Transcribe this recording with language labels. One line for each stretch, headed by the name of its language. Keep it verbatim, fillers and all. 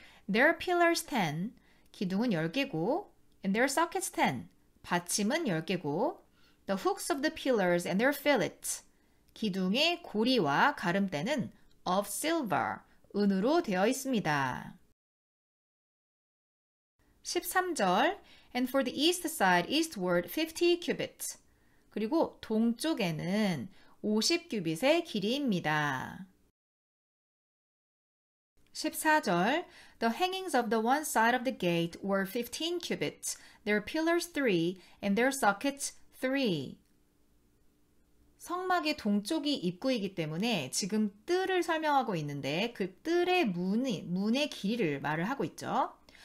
English: Their pillars ten,
Korean: 기둥은 열 개고,
English: and their sockets ten,
Korean: 받침은 열 개고,
English: the hooks of the pillars and their fillets,
Korean: 기둥의 고리와 가름대는
English: of silver,
Korean: 은으로 되어 있습니다. 십삼 절,
English: and for the east side eastward fifty cubits.
Korean: 그리고 동쪽에는 오십 규빗의 길이입니다. 십사 절,
English: the hangings of the one side of the gate were fifteen cubits, their pillars three, and their sockets three.
Korean: 성막의 동쪽이 입구이기 때문에 지금 뜰을 설명하고 있는데 그 뜰의 문이, 문의 길이를 말을 하고 있죠.